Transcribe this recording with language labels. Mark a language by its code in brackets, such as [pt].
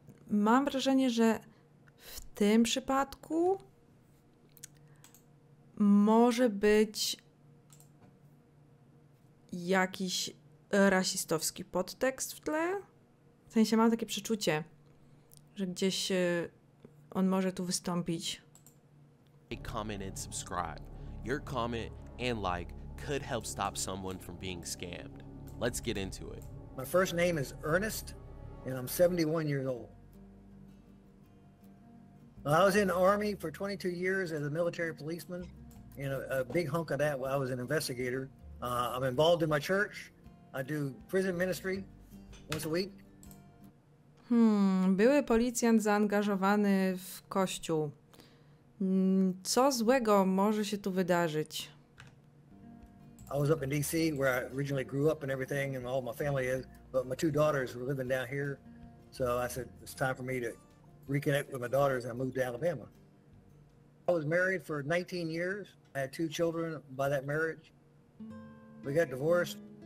[pl] Mam wrażenie, że w tym przypadku może być jakiś rasistowski podtekst w tle. W sensie mam takie przeczucie, że gdzieś on może tu wystąpić. [en] Like, comment and subscribe. Your comment and like could help stop someone from being scammed. Let's get into it. My first name is Ernest and I'm 71 years old. Well, I was in the Army for 22 years as a military policeman, and a big hunk of that, well, I was an investigator. I'm involved in my church. I do prison ministry once a week. [pl] Były policjant zaangażowany w kościół. Co złego może się tu wydarzyć? [en] I was up in D.C., where I originally grew up and everything, and all my family is, but my two daughters were living down here, so I said, it's time for me to reconnect with my daughters and I moved to Alabama. I was married for 19 years. I had two children by that marriage. We got divorced.